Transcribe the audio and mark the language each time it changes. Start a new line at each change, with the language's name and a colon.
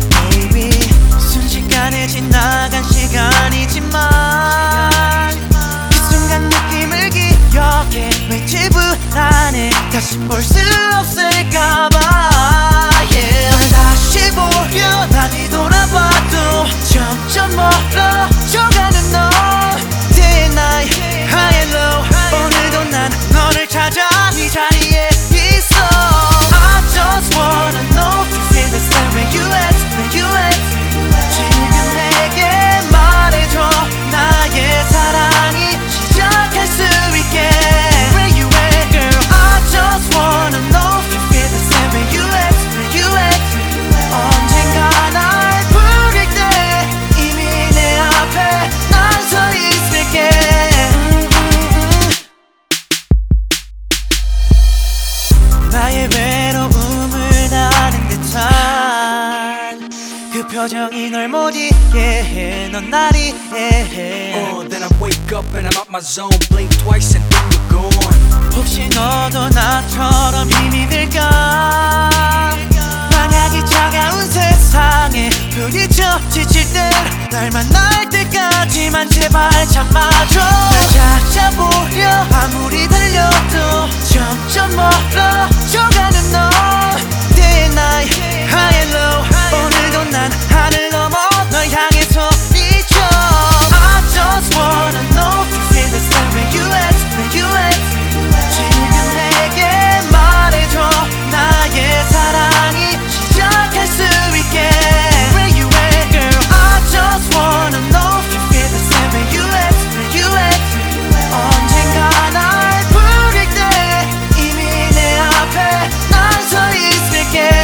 English: Baby,
Korean: 순식간에 지나간 시간이지만 이 순간 느낌을 기억해. 왠지 불안해. 다시 볼 수 없을까봐. Yeah. 다시 보려 다 뒤돌아봐도 점점 멀어져가는 너.
English: Day and night, high and low.
Korean: 오늘도 난 너를 찾아 네 자리에 있어.
English: I just wanna know if you feel the same way you at, where you at.
Korean: 지금 내게 말해줘. 나의 사랑이 시작할 수 있게.
English: Where you at, girl? I just wanna know if you feel the same way you at, where you at.
Korean: 언젠가 날 부를 때 이미 내 앞에 난 서 있을게. 나의 외로움을 나는 듯한 그 표정이 널 못 이해해. 넌 날 이해해.
English: Then I wake up and I'm out my zone. Blink twice and then you're gone.
Korean: 혹시 너도 나처럼 힘이 들까. 만약 이 차가운 세상에 불이 젖히질 때 날 만날 때까지만 제발 잡아줘. 날 찾아보려 아무리 달려도 점점 멀어져가는 너.
English: Day and night, high and low.
Korean: 오늘도 난 하늘 넘어 널 향해서 미쳐.
English: I just wanna know if you feel the same way you at, where you at.
Korean: 지금 내게 말해줘. 나의 사랑이 시작할 수 있게.
English: Where you at, girl? I just wanna know if you feel the same way you at, where you at.
Korean: 언젠가 날 부를 때 이미 내 앞에 난 서 있을게.